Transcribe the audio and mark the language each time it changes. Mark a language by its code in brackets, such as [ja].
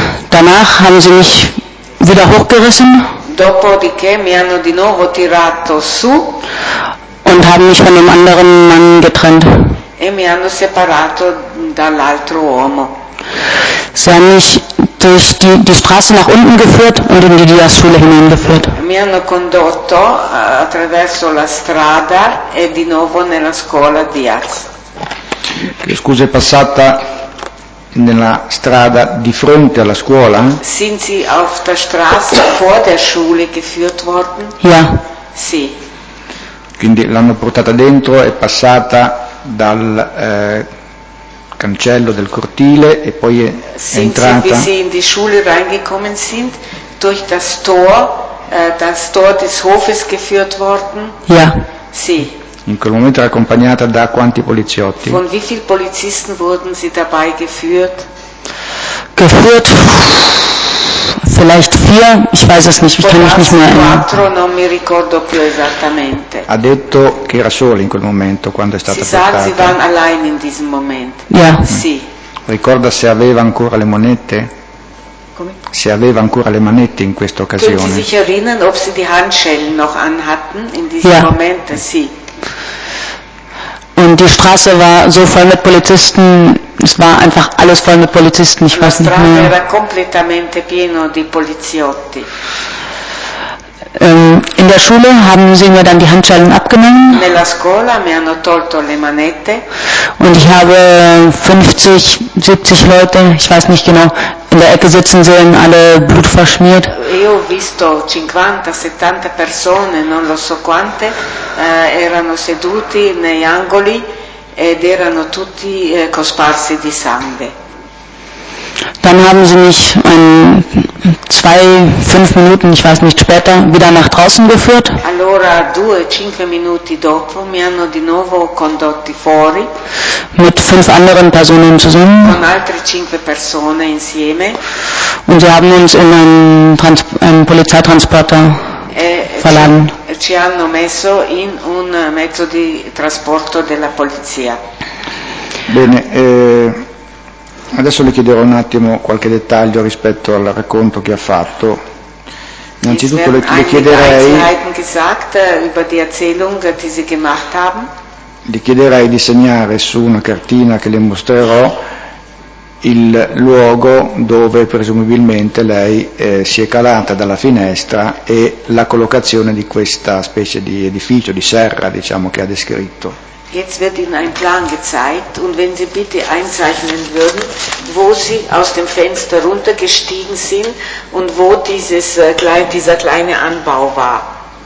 [de] Danach haben sie mich wieder hochgerissen. [it] Dopodiché mi hanno di nuovo tirato su. [de] Und haben mich von dem anderen Mann getrennt. [it] E mi hanno separato dall'altro uomo. [de] Sie haben mich durch die Straße nach unten geführt und in die Diaschule hineingeführt. [it] Mi hanno condotto attraverso la strada e di nuovo nella scuola Diaz. Scusa, è passata nella strada di fronte alla scuola? [de] Sind Sie auf der Straße vor der Schule geführt worden? Ja. [it] Sì. Quindi l'hanno portata dentro, è passata dal cancello del cortile e poi è entrata. [de] Sind Sie in die Schule reingekommen sind durch das Tor des Hofes geführt worden? Ja. [it] Sì. In quel momento era accompagnata da quanti poliziotti? [de] Von wie vielen Polizisten wurden Sie dabei geführt? Geführt vielleicht vier, ich weiß es nicht, ich kann mich nicht mehr erinnern. [it] Ha detto che era solo in quel momento quando è stata portata. [de] In diesem Moment. Yeah. [it] Sì. Ricorda se aveva ancora le monete? Come? Se aveva ancora le manette in questa occasione. [de] Sie sich erinnern, ob sie die Handschellen noch anhatten in diesem yeah. Moment? [it] Sì. [de] Und die Straße war so voll mit Polizisten, es war einfach alles voll mit Polizisten, ich weiß nicht mehr. [it] Era completamente pieno di poliziotti. [de] In der Schule haben sie mir dann die Handschellen abgenommen. [it] Nella scuola mi hanno tolto le manette. [de] Und ich habe 50, 70 Leute, ich weiß nicht genau, in der Ecke sitzen sehen, alle blutverschmiert. [it] Io ho visto 50, 70 persone, non lo so quante, erano seduti negli angoli ed erano tutti cosparsi di sangue. [de] Dann haben sie mich zwei, fünf Minuten, ich weiß nicht, später wieder nach draußen geführt. [it] Allora, due, cinque minuti dopo, mi hanno di nuovo condotti fuori. [de] Mit fünf anderen Personen zusammen. [it] Con altre cinque persone insieme. [de] Und sie haben uns in einen Polizeitransporter verladen. [it] Ci hanno messo in un mezzo di trasporto della polizia. Bene, adesso le chiederò un attimo qualche dettaglio rispetto al racconto che ha fatto. Innanzitutto le chiederei di segnare su una cartina che le mostrerò il luogo dove presumibilmente lei si è calata dalla finestra e la collocazione di questa specie di edificio, di serra, diciamo, che ha descritto. [de] Jetzt wird Ihnen ein Plan gezeigt und wenn Sie bitte einzeichnen würden, wo Sie aus dem Fenster runtergestiegen sind und wo dieser kleine Anbau war.